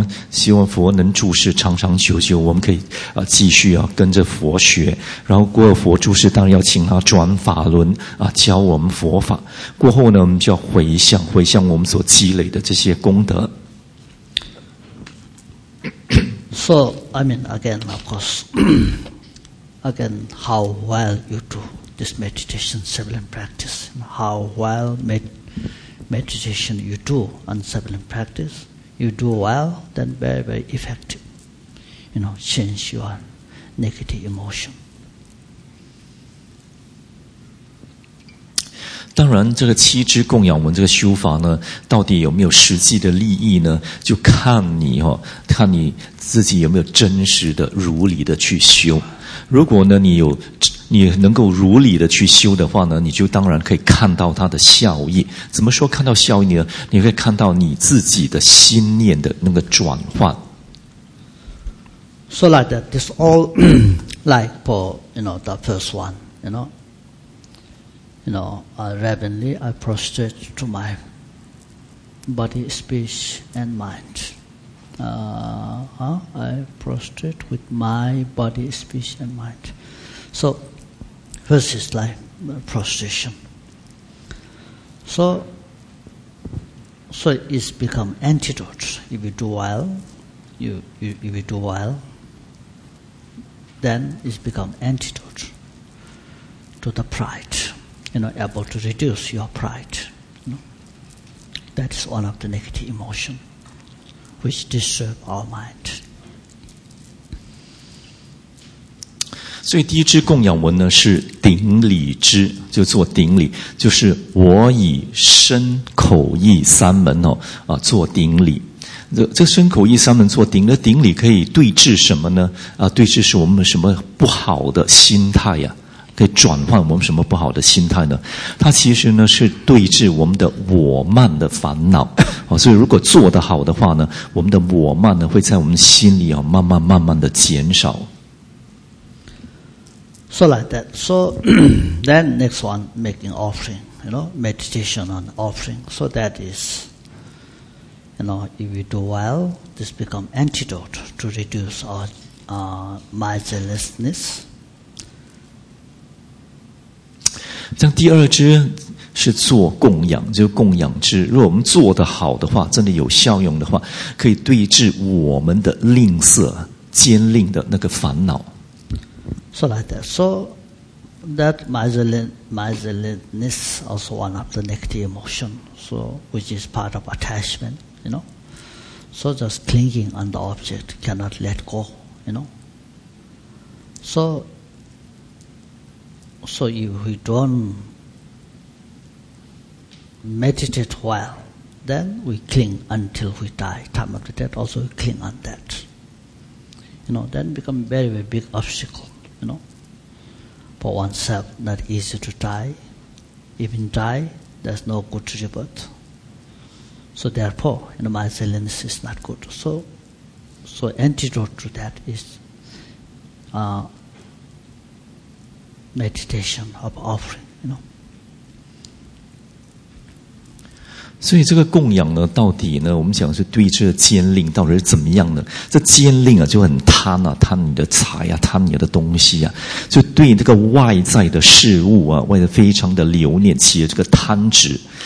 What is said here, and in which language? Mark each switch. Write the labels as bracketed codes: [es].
[zh] 希望佛能住世长长久久，我们可以继续啊跟着佛学，然后过了佛住世，当然要请他转法轮啊，教我们佛法。过后呢，我们就要回向我们所积累的这些功德。 [en] So I mean again, of course, again, how well you do this meditation, seven practice, how well meditation you do on seven practice. You do well, then very, very effective. You know, change your negative emotion. [zh] 当然，这个七支供养文这个修法呢，到底有没有实际的利益呢？就看你哦，看你自己有没有真实的、如理的去修。如果呢，你能够如理的去修的话呢，你就当然可以看到它的效益。怎么说看到效益呢？你可以看到你自己的心念的那个转换。 [en] So like that, this all like for, you know, the first one, you know, you know, reverently I prostrate to my body, speech, and mind. I prostrate with my body, speech, and mind. So, first is like prostration. So it's become antidote. If you do well, then it's become antidote to the pride. You know, able to reduce your pride. You know? That's one of the negative emotions which disturb our mind. [zh] 所以第一支供养文呢是顶礼支，就做顶礼，就是我以身口意三门哦啊做顶礼。这身口意三门做顶的顶礼可以对治什么呢？啊，对治是我们什么不好的心态呀、啊？可以转换我们什么不好的心态呢？它其实呢是对治我们的我慢的烦恼、哦、所以如果做得好的话呢，我们的我慢呢会在我们心里、哦、慢慢慢慢的减少。 [en] So like that. So then next one, making offering, you know, meditation on offering. So that is, you know, if we do well, this become antidote to reduce our my zealousness. [zh] 像第二支是做供养，就是供养支。如果我们做得好的话，真的有效用的话，可以对治我们的吝啬、坚吝的那个烦恼。 [en] So like that. So that miserliness also one of the negative emotion. So which is part of attachment, you know. So just clinging on the object cannot let go, you know. So if we don't meditate well, then we cling until we die. Time of the death also we cling on that. You know, then become very, very big obstacle. You know, for oneself, not easy to die. Even die, there's no good rebirth. So therefore, you know, my zealousness is not good. So antidote to that is meditation of offering, you know. [zh] 所以这个供养呢，到底呢，我们想是对这坚吝到底是怎么样呢？这坚吝啊，就很贪啊，贪你的财啊，贪你的东西啊，就对这个外在的事物啊，外在非常的留恋，起了这个贪执。